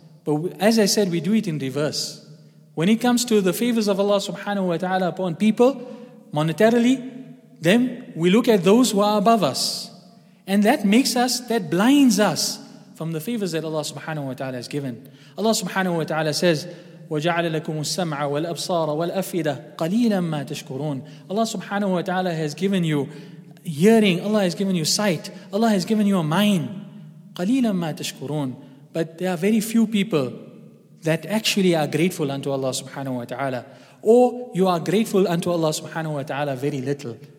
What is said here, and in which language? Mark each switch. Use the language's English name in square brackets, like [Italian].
[English] But as I said, we do it in reverse. When it comes to the favors of Allah subhanahu wa ta'ala upon people, monetarily, then we look at those who are above us. And that makes us, that blinds us from the favors that Allah subhanahu wa ta'ala has given. [Arabic] Allah subhanahu wa ta'ala says, وَجَعَلَ لَكُمُ السَّمْعَ وَالْأَبْصَارَ وَالْأَفْئِدَةَ قَلِيلًا مَّا تَشْكُرُونَ. [English] Allah subhanahu wa ta'ala has given you hearing, Allah has given you sight, Allah has given you a mind. [Arabic] قَلِيلًا مَّا تَشْكُرُونَ. [English] But there are very few people that actually are grateful unto Allah subhanahu wa ta'ala. Or you are grateful unto Allah subhanahu wa ta'ala very little.